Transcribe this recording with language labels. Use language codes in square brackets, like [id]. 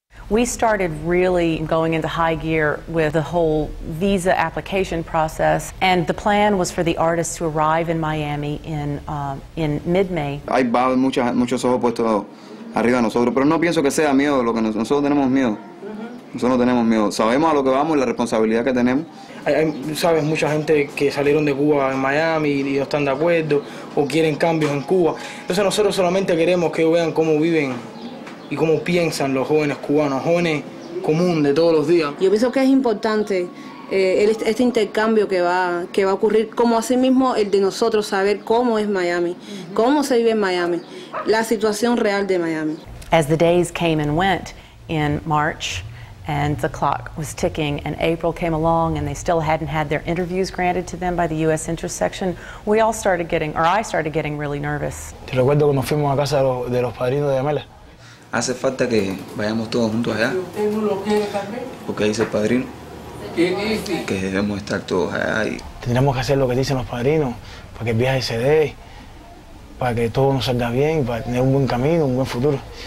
[en] We started really going into high gear with the whole visa application process, and the plan was for the artists to arrive in Miami in mid-May. [es] Hay muchos ojos puestos arriba de nosotros, pero no pienso que sea miedo, lo que nosotros tenemos miedo. Mm-hmm. Nosotros no tenemos miedo. Sabemos a lo que vamos y la responsabilidad que tenemos. Sabes, mucha gente que salieron de Cuba en Miami y no están de acuerdo o quieren cambios en Cuba. Entonces nosotros solamente queremos que ellos vean cómo viven y cómo piensan los jóvenes cubanos, jóvenes comunes de todos los días. Yo pienso que es importante este intercambio que va a ocurrir, como así mismo el de nosotros saber cómo es Miami, cómo se vive en Miami, la situación real de Miami. [en] As the days came and went in March, and the clock was ticking, and April came along, and they still hadn't had their interviews granted to them by the U.S. Interest Section, we all started getting, or I started getting really nervous. [es] Te recuerdo cuando fuimos a casa de los padrinos de Amela. Hace falta que vayamos todos juntos allá. ¿Tengo lo que también? Porque dice el padrino. ¿Qué dice? Que debemos estar todos allá. Y tendremos que hacer lo que dicen los padrinos, para que el viaje se dé, para que todo nos salga bien, para tener un buen camino, un buen futuro.